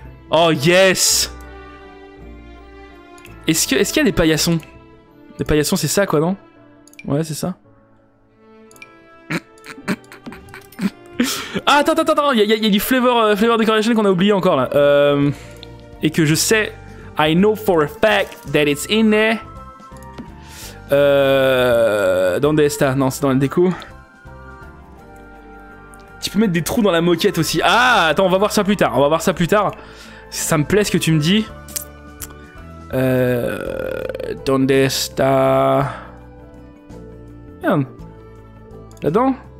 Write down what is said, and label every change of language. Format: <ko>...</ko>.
<en>Oh, yes.</en> <fr>Est-ce qu'il y a des paillassons? Des paillassons, c'est ça, quoi, non? Ouais, c'est ça. Ah, attends, il y a du flavor decoration qu'on a oublié encore, là. Et que je sais,</fr> <en>I know for a fact that it's in there.</en> <fr>Dans Desta, non, c'est dans le déco. Tu peux mettre des trous dans la moquette aussi. Ah, attends, on va voir ça plus tard. On va voir ça plus tard. Ça me plaît ce que tu me dis.</fr> <es>Donde está...</es> <fr>Merde. Là-dedans.</fr>